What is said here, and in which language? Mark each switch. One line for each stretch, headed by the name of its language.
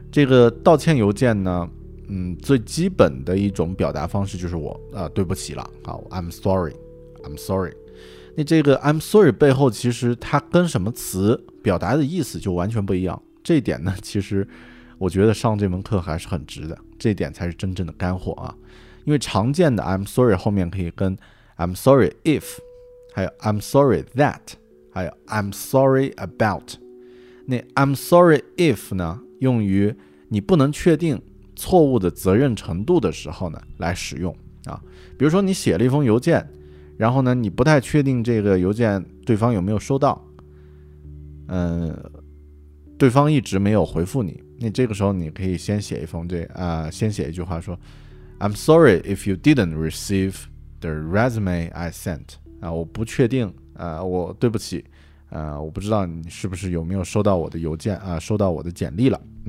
Chinese: 这个道歉邮件呢最基本的一种表达方式就是我对不起了，好 I'm sorry。那这个 I'm sorry 背后其实它跟什么词表达的意思就完全不一样，这一点呢其实我觉得上这门课还是很值的，这一点才是真正的干货啊。因为常见的 I'm sorry 后面可以跟 I'm sorry if，还有 I'm sorry that， 还有 I'm sorry about。那 I'm sorry if 呢用于你不能确定错误的责任程度的时候呢来使用啊。比如说你写了一封邮件，然后呢你不太确定这个邮件对方有没有收到，对方一直没有回复你，那这个时候你可以先写一封先写一句话说
English: I'm sorry if you didn't receive the resume I sent
Chinese: 我不确定我对不起我不知道你是不是有没有收到我的邮件收到我的简历了。